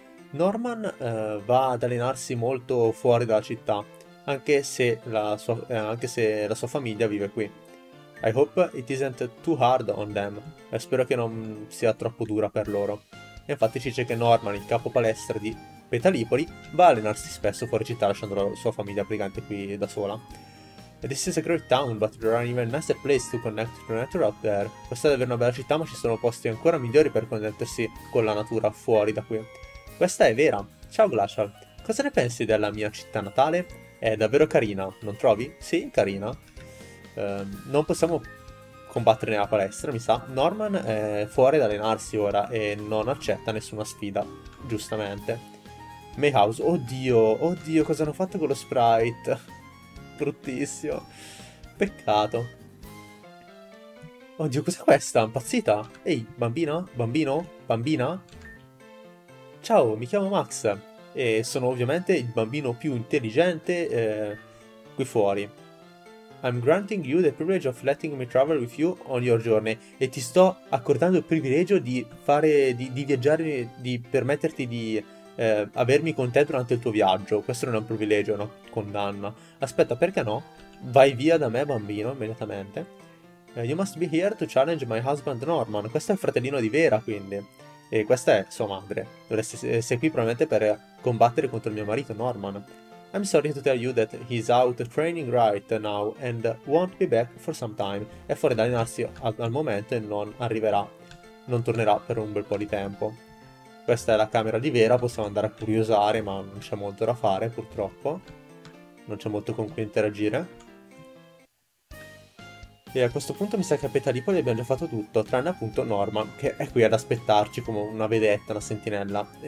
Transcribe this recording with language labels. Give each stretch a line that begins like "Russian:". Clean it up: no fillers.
Italian: Norman va ad allenarsi molto fuori dalla città, anche se la sua famiglia vive qui.
English: I hope it isn't too hard on them.
Italian: Spero che non sia troppo dura per loro. E infatti ci dice che Norman, il capo palestra di Petalipoli, va a allenarsi spesso fuori città lasciando la sua famiglia brigante qui da sola.
English: This is a great town, but there are even nicer places to connect to nature out there.
Italian: Questa è davvero una bella città, ma ci sono posti ancora migliori per connettersi con la natura fuori da qui. Questa è Vera. Ciao Glacial, cosa ne pensi della mia città natale? È davvero carina, non trovi? Sì, carina. Non possiamo combattere nella palestra, mi sa. Norman è fuori ad allenarsi ora e non accetta nessuna sfida, giustamente. Mayhouse, oddio, cosa hanno fatto con lo sprite? Bruttissimo. Peccato. Oddio, cos'è questa? Impazzita? Ehi, bambina? Bambino? Bambina? Ciao, mi chiamo Max e sono ovviamente il bambino più intelligente qui fuori.
English: I'm granting you the privilege of letting me travel with you on your journey.
Italian: E ti sto accordando il privilegio di fare, di viaggiare, di permetterti di avermi con te durante il tuo viaggio. Questo non è un privilegio, no? Condanna. Aspetta, perché no? Vai via da me, bambino, immediatamente.
English: You must be here to challenge my husband Norman.
Italian: Questo è il fratellino di Vera, quindi. E questa è sua madre. Dovresti essere qui probabilmente per combattere contro il mio marito, Norman.
English: I'm sorry to tell you that he's out training right now and won't be back for some time.
Italian: È fuori da allenarsi al momento e non arriverà, non tornerà per un bel po' di tempo. Questa è la camera di Vera, possiamo andare a curiosare, ma non c'è molto da fare, purtroppo. Non c'è molto con cui interagire. E a questo punto mi sa che a Petalipoli abbiamo già fatto tutto, tranne appunto Norman, che è qui ad aspettarci come una vedetta, una sentinella.